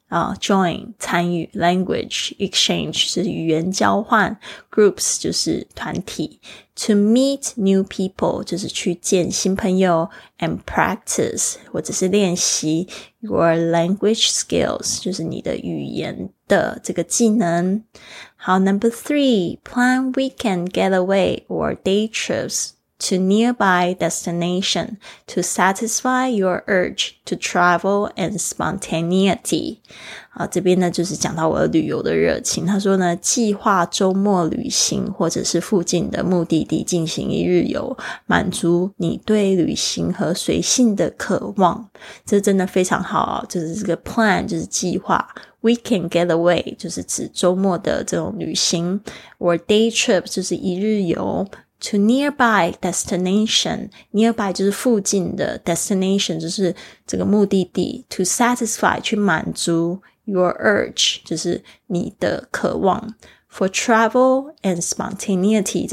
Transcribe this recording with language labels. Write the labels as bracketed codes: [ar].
[zh] Join 参与 [en] language exchange [zh] 是语言交换 groups 就是团体 [en] to meet new people [zh] 就是去见新朋友 [en] and practice [zh] 或者是练习 [en] your language skills [zh] 就是你的语言的这个技能。好， [en] Number three, plan weekend getaway or day trips to nearby destination to satisfy your urge to travel and spontaneity。 [zh] 这边呢就是讲到我的旅游的热情，他说呢计划周末旅行或者是附近的目的地进行一日游，满足你对旅行和随性的渴望。这真的非常好，就是这个 plan 就是计划， [en] weekend getaway [zh] 就是指周末的这种旅行， [en] or day trip [zh] 就是一日游， [en] to nearby destination, [zh] nearby 就是附近的 destination 就是这个目的地， [en] to satisfy [zh] 去满足 [en] your urge [zh] 就是你的渴望， [en] for travel and spontaneity。